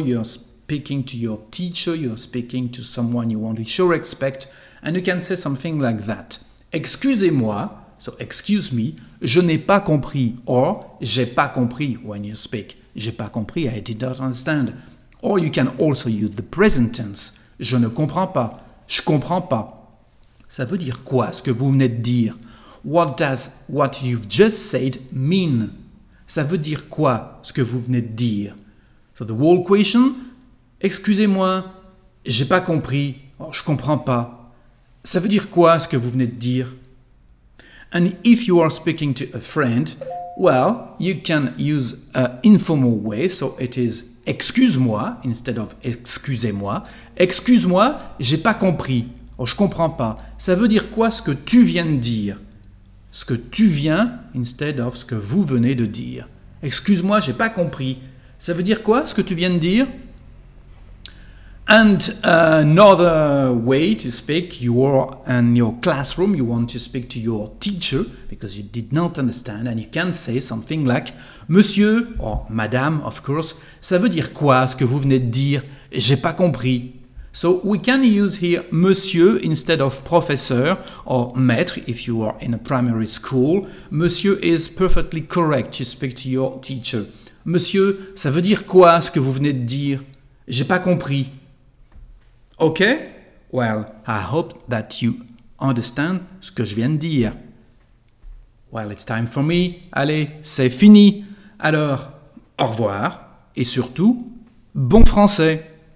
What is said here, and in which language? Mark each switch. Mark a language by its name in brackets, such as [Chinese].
[English] You're speaking to your teacher, you're speaking to someone you want to show respect, and you can say something like that. [French] Excusez-moi, [English] so excuse me, [French] je n'ai pas compris, or j'ai pas compris [English] when you speak. [French] J'ai pas compris, [English] I did not understand. Or you can also use the present tense. [French] Je ne comprends pas, je comprends pas. Ça veut dire quoi, ce que vous venez de dire? [English] What does what you've just said mean? [French] Ça veut dire quoi, ce que vous venez de dire? [English] So the whole question, [French] Excusez-moi, j'ai pas compris. Oh, je comprends pas. Ça veut dire quoi ce que vous venez de dire? [English] And if you are speaking to a friend, well, you can use an informal way, so it is excuse-moi instead of excusez-moi. [French] Excuse-moi, j'ai pas compris. Oh, je comprends pas. Ça veut dire quoi ce que tu viens de dire? Ce que tu viens [English] instead of [French] ce que vous venez de dire. Excuse-moi, j'ai pas compris. Ça veut dire quoi ce que tu viens de dire? [English] And another way to speak, you are in your classroom, you want to speak to your teacher because you did not understand, and you can say something like [French] Monsieur or Madame, [English] of course, [French] ça veut dire quoi ce que vous venez de dire? J'ai pas compris. [English] So we can use here Monsieur instead of professeur or maître if you are in a primary school. Monsieur is perfectly correct to speak to your teacher. [French] Monsieur, ça veut dire quoi ce que vous venez de dire? J'ai pas compris. [English] Ok? Well, I hope that you understand [French] ce que je viens de dire. [English] Well, it's time for me. [French] Allez, c'est fini. Alors, au revoir et surtout, bon français!